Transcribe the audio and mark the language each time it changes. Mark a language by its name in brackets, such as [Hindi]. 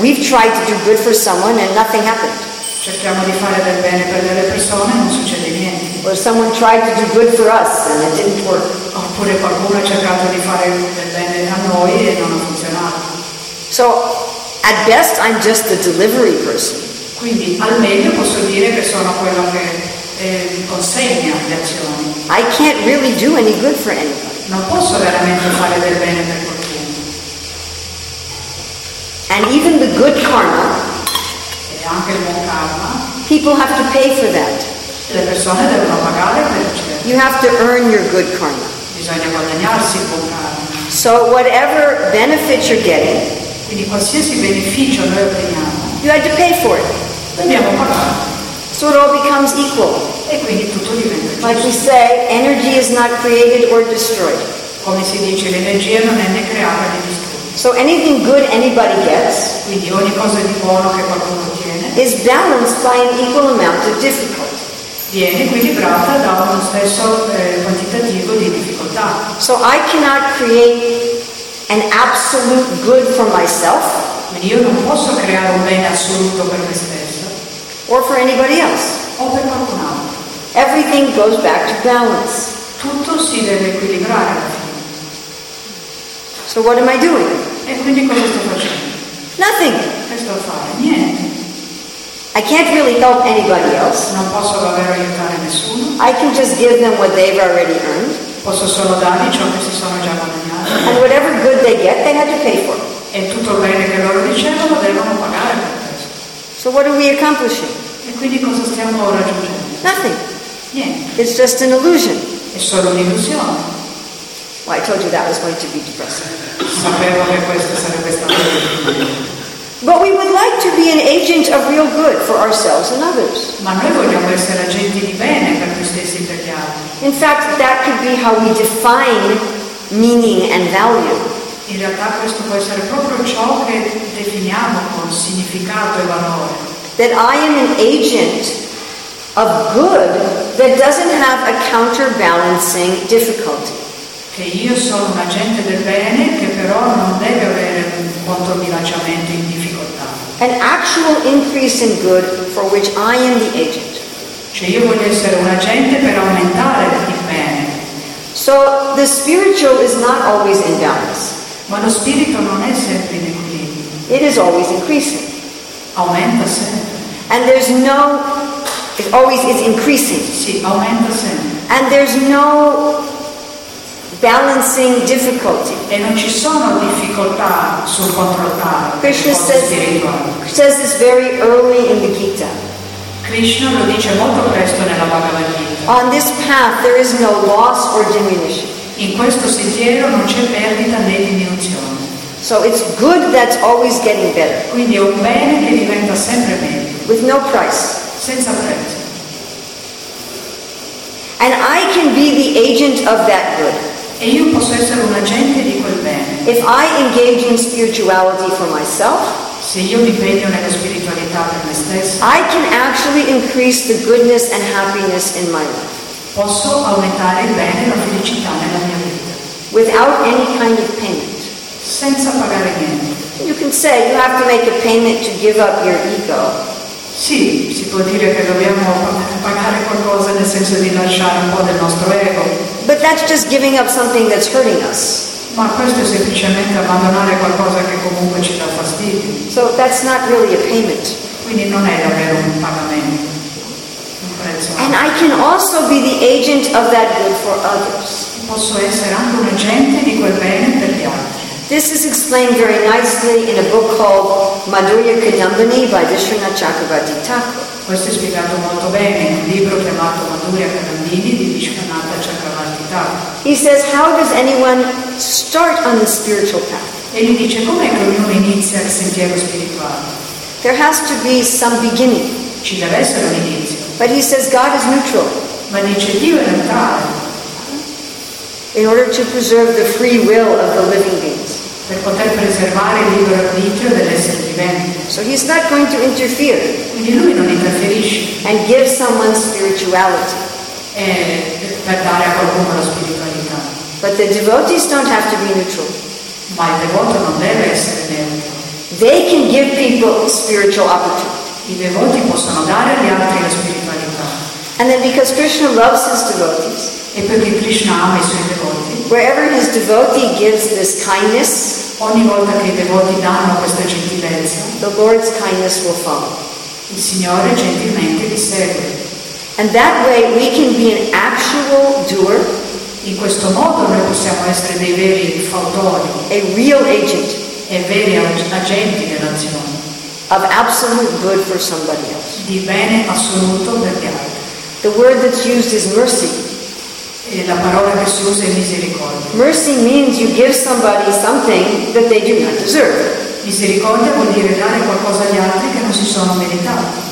[English] We've tried to do good for someone and nothing happened. [Italian] Cerchiamo di fare del bene per delle persone e non succede niente. [English] Or someone tried to do good for us and it didn't work. [Italian] Oppure qualcuno ha cercato di fare del bene a noi e non ha funzionato. [English] So, at best, I'm just the delivery person. [Italian] Quindi, al meglio posso dire che sono quello che consegna le azioni. [English] I can't really do any good for anybody. [Italian] Non posso veramente fare del bene per qualcuno. [English] And even the good karma, [Italian] anche il buon karma, [English] people have to pay for that. [Italian] Le persone devono pagare per ciò. [English] You have to earn your good karma. [Italian] Bisogna guadagnarsi il buon karma. [English] So whatever benefit you're getting, [Italian] quindi qualsiasi beneficio noi otteniamo, [English] you had to pay for it. [Italian] Dobbiamo pagare. [English] So it all becomes equal. [Italian] E quindi tutto diventa giusto. [English] Like we say, energy is not created or destroyed. [Italian] Come si dice, l'energia non è né creata né distrutta. [English] So anything good anybody gets, [Italian] quindi ogni cosa di buono che qualcuno ottiene, [English] is balanced by an equal amount of difficulty. [Italian] Viene equilibrata da uno stesso quantitativo di difficoltà. [English] So I cannot create an absolute good for myself. [Italian] Quindi io non posso creare un bene assoluto per me stesso. [English] Or for anybody else. [Italian] O per qualcun altro. [English] Everything goes back to balance. [Italian] Tutto si deve equilibrare. [English] So what am I doing? [Italian] E quindi cosa sto facendo? [English] Nothing. [Italian] Che sto a fare? Niente. [English] I can't really help anybody else. [Italian] Non posso davvero aiutare nessuno. [English] I can just give them what they've already earned. [Italian] Posso solo dargli ciò che si sono già guadagnati. [English] And whatever good they get, they had to pay for. [Italian] E tutto il bene che loro ricevono lo devono pagare. [English] So what are we accomplishing? [Italian] E quindi cosa stiamo raggiungendo? [English] Nothing. [Italian] Niente. [English] It's just an illusion. [Italian] È solo un'illusione. [English] Well, I told you that was going to be depressing. [Italian] Sapevo che questo sarebbe stato. [English] But we would like to be an agent of real good for ourselves and others. [Italian] Ma noi vogliamo essere agenti di bene per noi stessi e per gli altri. [English] In fact, that could be how we define meaning and value. [Italian] In realtà questo può essere proprio ciò che definiamo con significato e valore. [English] That I am an agent of good that doesn't have a counterbalancing difficulty. [Italian] Che io sono un agente del bene che però non deve avere un controbilanciamento in difficoltà. [English] An actual increase in good for which I am the agent. [Italian] Cioè io voglio essere un agente per aumentare il bene. [English] So the spiritual is not always in balance. [Italian] Ma lo spirito non è sempre in equilibrio. [English] It is always increasing. [Italian] Aumenta sempre. [English] And there's no, it always is increasing. [Italian] Sì, aumenta sempre. [English] And there's no balancing difficulty. [Italian] E non ci sono difficoltà sul controllare. [English] Krishna says this very early in the Gita. [Italian] Krishna lo dice molto presto nella Bhagavad Gita. [English] On this path there is no loss or diminution. [Italian] In questo sentiero non c'è perdita né diminuzione. [English] So it's good that's always getting better. [Italian] Quindi è un bene che diventa sempre meglio. [English] With no price. [Italian] Senza prezzo. [English] And I can be the agent of that good. [Italian] E io posso essere un agente di quel bene. [English] If I engage in spirituality for myself, [Italian] se io mi impegno nella spiritualità per me stesso, [English] I can actually increase the goodness and happiness in my life. [Italian] Posso aumentare il bene e la felicità nella mia vita. [English] Without any kind of payment. [Italian] Senza pagare niente. [English] You can say you have to make a payment to give up your ego. [Italian] Sì, si può dire che dobbiamo pagare qualcosa nel senso di lasciare un po' del nostro ego. [English] But that's just giving up something that's hurting us. [Italian] Ma questo è semplicemente abbandonare qualcosa che comunque ci dà fastidio. [English] So that's not really a payment. [Italian] Quindi non è davvero un pagamento. [English] And I can also be the agent of that good for others. [Italian] Posso essere anche un agente di quel bene per gli altri. [English] This is explained very nicely in a book called Madhurya Kadambini by Vishwanath Chakravarti Thakur. [Italian] Questo è spiegato molto bene in un libro chiamato Madhurya Kadambini di Vishwanath Chakravarti Thakur. [English] He says, how does anyone start on the spiritual path? [Italian] E lui dice, come ognuno inizia il sentiero spirituale? [English] There has to be some beginning. [Italian] Ci deve essere un inizio. [English] But he says God is neutral. [Italian] Ma dice Dio è neutrale. [English] In order to preserve the free will of the living beings. [Italian] Per poter preservare il libero arbitrio dell'essere vivente. [English] So he's not going to interfere. [Italian] Quindi lui non interferisce. [English] And give someone spirituality. [Italian] E per dare a qualcuno la spiritualità. [English] But the devotees don't have to be neutral. [Italian] Ma il devoto non deve essere neutro. [English] They can give people spiritual opportunity. [Italian] I devoti possono dare agli altri la spiritualità. [English] And then because Krishna loves his devotees, [Italian] e perché Krishna ama i suoi devoti, [English] wherever his devotee gives this kindness, [Italian] ogni volta che i devoti danno questa gentilezza, [English] the Lord's kindness will follow. [Italian] Il Signore gentilmente li segue. [English] And that way we can be an actual doer, [Italian] in questo modo noi possiamo essere dei veri fautori, [English] a real agent, [Italian] e veri agenti dell'azione. [English] Of absolute good for somebody else. [Italian] Di bene assoluto per gli altri. [English] The word that's used is mercy. [Italian] E la parola che si usa è misericordia. [English] Mercy means you give somebody something that they do not deserve. [Italian] Misericordia vuol dire dare qualcosa agli altri che non si sono meritati.